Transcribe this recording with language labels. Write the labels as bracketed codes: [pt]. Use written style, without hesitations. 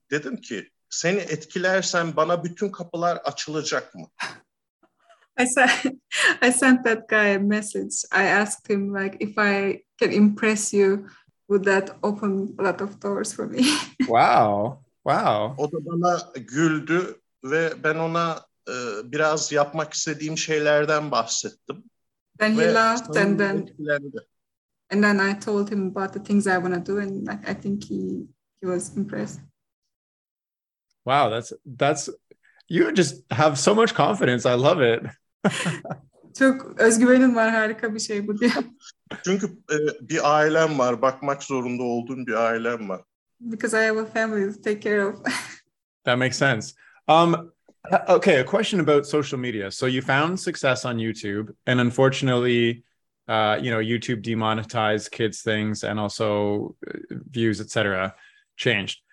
[tr] Dedim ki seni etkilersen bana bütün kapılar açılacak mı? [en] I sent that guy a message. I asked him like if I can impress you, would that open a lot of doors for me? Wow. [tr] O da bana güldü ve ben ona biraz yapmak istediğim şeylerden bahsettim. [en] Then he laughed and then [tr] etkilendi. [en] And then I told him about the things I want to do, and I think he was impressed. Wow, that's you just have so much confidence. I love it. [tr] Çok özgüvenin var, harika bir şey bu diye. Çünkü bir ailem var, bakmak zorunda olduğum bir ailem var. [en] Because I have a family to take care of. That makes sense. Okay, a question about social media. So you found success on YouTube, and unfortunately, you know, YouTube demonetized kids' things and also views, etc., changed.